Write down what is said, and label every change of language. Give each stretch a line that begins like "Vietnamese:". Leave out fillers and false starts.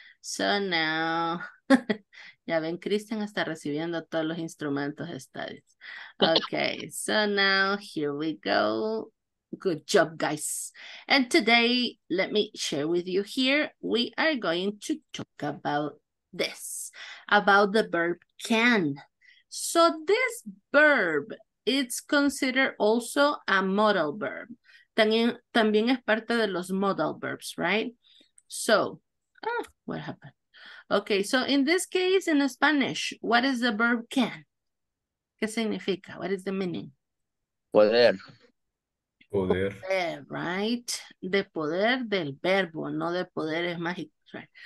English: So now,
Spanish: ya ven, Cristian está recibiendo todos los instrumentos estadios.
English: Okay. So now, here we go. Good job, guys. And today, let me share with you here, we are going to talk about this, about the verb can. So this verb, it's considered also a modal verb.
Spanish: También es parte de los modal verbs, right?
English: So, what happened? Okay, so in this case, in Spanish, what is the verb can?
Spanish: ¿Qué significa?
English: What is the meaning?
Spanish: Poder. Poder. Poder, right? De poder del verbo, no de poderes mágicos, right?